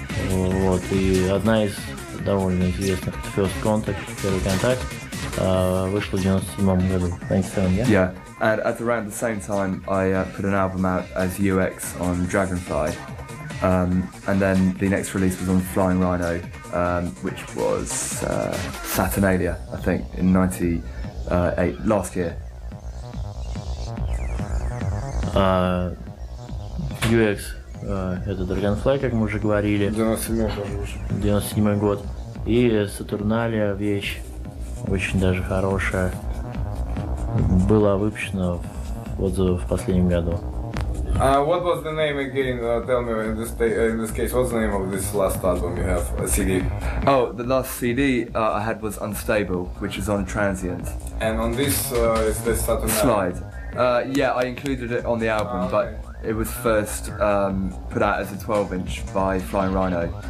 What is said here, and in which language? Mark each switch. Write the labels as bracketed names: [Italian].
[Russian] Вот, и одна из довольно известных First Contact, первый контакт, вышла в 97 году. 97, [English] yeah? Yeah. And at around the same time I put an album out as UX on Dragonfly. And then the next release was on Flying Rhino, which was Saturnalia, I think, in 98, last year. [Russian] UX, это Dragonfly, как мы уже говорили. 97 год. И Saturnalia вещь очень даже хорошая. Была выпущена в последнем году. [English] What was the name again? Tell me in this case, what's the name of this last album you have, a CD? Oh, the last CD I had was Unstable, which is on Transient. And on this, is this Saturnalia? Slide. I included it on the album, okay. But it was first put out as a 12-inch by Flying Rhino.